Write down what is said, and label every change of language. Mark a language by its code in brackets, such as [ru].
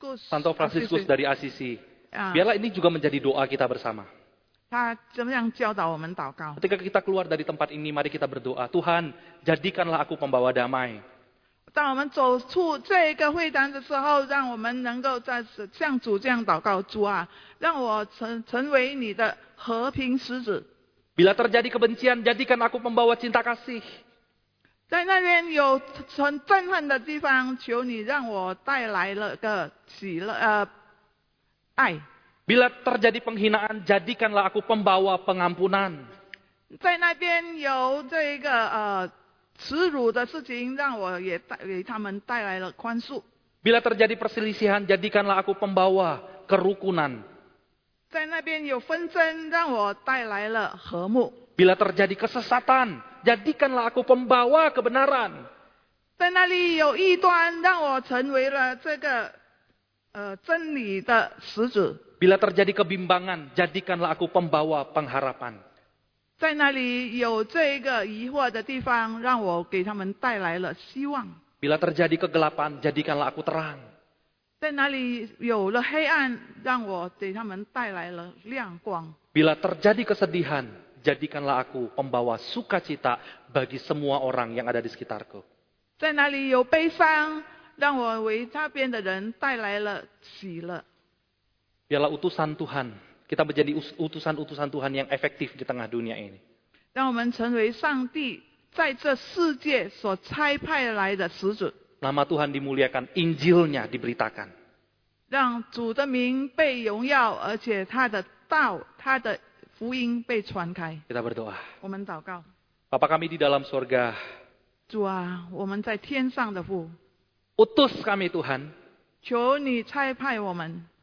[id] Santo Franciscus dari Assisi、biarlah ini juga menjadi doa kita bersama. [zh] 他怎么样教导我们祷告？ [id] Ketika kita keluar dari tempat ini, mari kita berdoa. Tuhan, jadikanlah aku pembawa damai. [zh] 当我们走出这个会堂的时候，让我们能够在向主这样祷告，主啊，让我 成为你的和平使者。 [id] Bila terjadi kebencian, jadikan aku pembawa cinta kasih. [zh] 在那边有很憎恨的地方，求你让我带来了个喜乐，爱。 [id] Bila terjadi penghinaan, jadikanlah aku pembawa pengampunan. [zh] 在那边有这个耻辱的事情，让我也带给他们带来了宽恕。 [id] Bila terjadi perselisihan, jadikanlah aku pembawa kerukunan. [zh] 在那边有纷争，让我带来了和睦。 [id] Bila terjadi kesesatan, jadikanlah aku pembawa kebenaran. [zh] 在那里有异端，让我成为了这个真理的使者。 [id] Bila terjadi kebimbangan, jadikanlah aku pembawa pengharapan. [zh] 在那里有这个疑惑的地方，让我给他们带来了希望。 [id] Bila terjadi kegelapan, jadikanlah aku terang. [zh] 在那里有了黑暗，让我给他们带来了亮光。 [id] Bila terjadi kesedihan, jadikanlah aku pembawa sukacita bagi semua orang yang ada di sekitarku. [zh] 在那里有悲伤，让我为他边的人带来了喜乐。 [id] Biarlah utusan Tuhan, kita menjadi utusan-utusan Tuhan yang efektif di tengah dunia ini. [zh] 让我们成为上帝在这世界所差派来的使者。 [id] Nama Tuhan dimuliakan, Injilnya diberitakan. [zh] 让主的名被荣耀，而且他的道，他的福音被传开。 [id] Kita berdoa. [zh] 我们祷告。 [id] Bapa kami di dalam surga. [zh] 主啊，我们在天上的父。 [id] Utus kami Tuhan. [zh] 求你差派我们。